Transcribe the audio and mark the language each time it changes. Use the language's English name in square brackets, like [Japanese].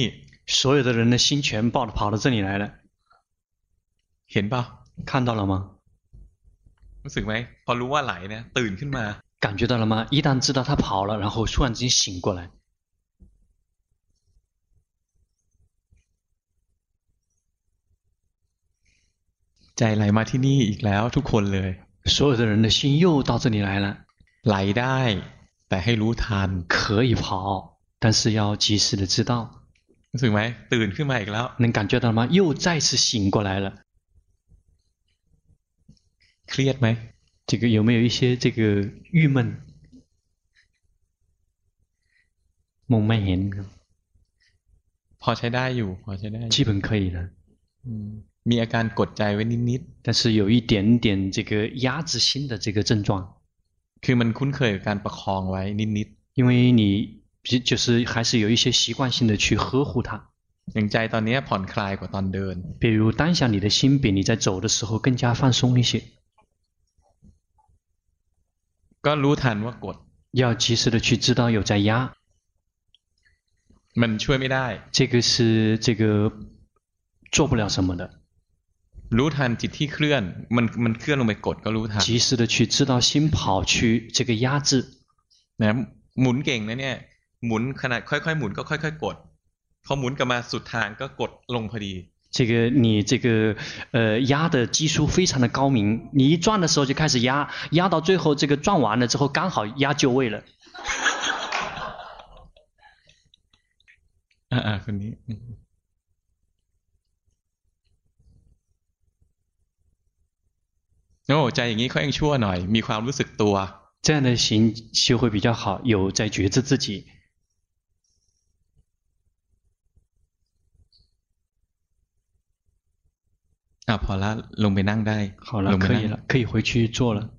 [Chinese] 所有的人的心全抱着跑到这里来了 [Thai] เห็นป่ะ [Chinese] 看到了吗 [Thai] รู้สึกไหมพอรู้ว่าไหลเนี่ยตื่นขึ้นมา [Chinese] 感觉到了吗一旦知道他跑了然后突然间醒过来 [Thai] ใจไหลมาที่นี่อีกแล้วทุกคนเลย [Chinese] 所有的人的心又到这里来了 [Thai] ไหลได้แต่ให้รู้ทัน [Chinese] 可以跑但是要及时的知道 [Thai] รู้สึกไหมตื่นขึ้นมาอีกแล้ว [Chinese] 能感觉到吗又再次醒过来了 [Thai] เครียดไหม [Chinese] 这个有没有一些这个郁闷 [Thai] มองไม่เห็น พอใช้ได้อยู่พอใช้ได้ [Chinese] 基本可以的 [Thai] มีอาการกดใจไว้นิดนิด [Chinese] 但是有一点点这个压制心的这个症状 [Thai] คือมันคุ้นเคยกับการประคองไว้นิดนิด [Chinese] 因为你就是还是有一些习惯性的去呵护它 [Thai] อย่างใจตอนนี้ผ่อนคลายกว่าตอนเดิน [Chinese] 比如当下你的心比你在走的时候更加放松一些 [Thai] ก็รู้ทันว่ากด [Chinese] 要及时的去知道有在压 [Thai] มันช่วยไม่ได้ [Chinese] 这个是这个做不了什么的 [Thai] รู้ทันจิตที่เคลื่อนมันเคลื่อนลงไปกดก็รู้ทัน [Chinese] 及时的去知道心跑去这个压制 [Thai] นะหมุนเก่งนะเนี่ยหมุนขนาดค่อยๆหมุนก็ค่อยๆกดพอหมุนกลับมาสุดทางก็กดลงพอดี [Chinese] 这个你这个压的技术非常的高明你一转的时候就开始压压到最后这个转完了之后刚好压就位了 [Thai] 啊啊คนนี้โอ้ใจอย่างนี้เขายังชั่วหน่อยมีความรู้สึกตัว [Chinese] 这样的心就会比较好有在觉知自己 [Thai] พอแล้วลงไปนั่งได้ [Chinese] 好了可以了可以回去坐了